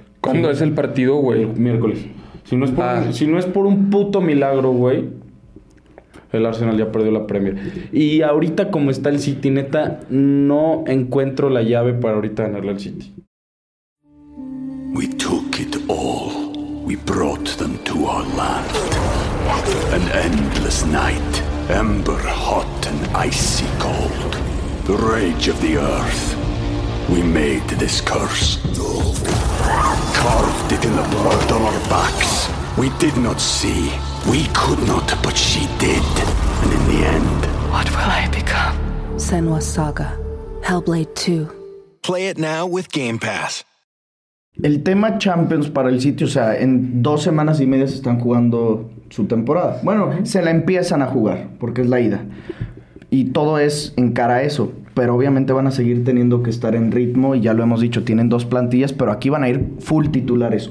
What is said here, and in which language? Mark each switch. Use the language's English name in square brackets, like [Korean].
[Spanish] ¿Cuándo es el partido, güey? El miércoles. Si no es por un puto milagro, güey, el Arsenal ya perdió la Premier. Y ahorita como está el City, neta, no encuentro la llave para ahorita ganarle al City. [English] We took it all. We brought them to our land. An endless night. Ember hot and icy cold. The rage of the earth. We made this curse. Carved it in the blood on our backs. We did not see. We could not, but she did. And in the end... What will I become? Senua Saga. Hellblade 2. Play it now with Game Pass. [Spanish] El tema Champions para el City, o sea, en dos semanas y media se están jugando su temporada. Bueno, se la empiezan a jugar, porque es la ida. Y todo es en cara a eso. Pero obviamente van a seguir teniendo que estar en ritmo, y ya lo hemos dicho, tienen dos plantillas, pero aquí van a ir full titulares.